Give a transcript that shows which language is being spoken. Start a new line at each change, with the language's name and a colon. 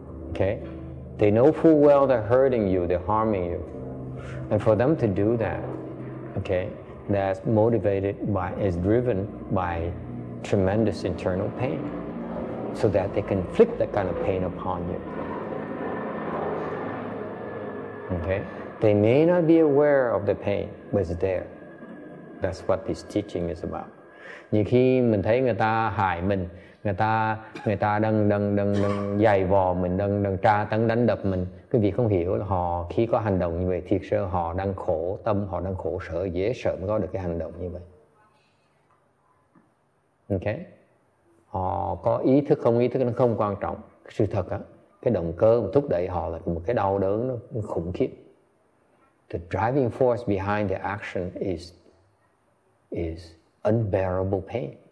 English: Okay, they know full well they're hurting you, they're harming you, and for them to do that, okay, that's motivated by, is driven by tremendous internal pain, so that they can inflict that kind of pain upon you. Okay, they may not be aware of the pain, but it's there. That's what this teaching is about.
Vietnamese: Nhiều khi mình thấy người ta hại mình. Người ta đang giày vò mình, đang tra tấn đánh đập mình. Quý vị không hiểu là họ khi có hành động như vậy, thiệt sự họ đang khổ tâm, họ đang khổ sở, dễ sợ mới có được cái hành động như vậy. Ok? Họ có ý thức nó không quan trọng. Sự thật á, cái động cơ mà thúc đẩy họ là một cái đau đớn nó khủng khiếp.
English: The driving force behind the action is unbearable pain.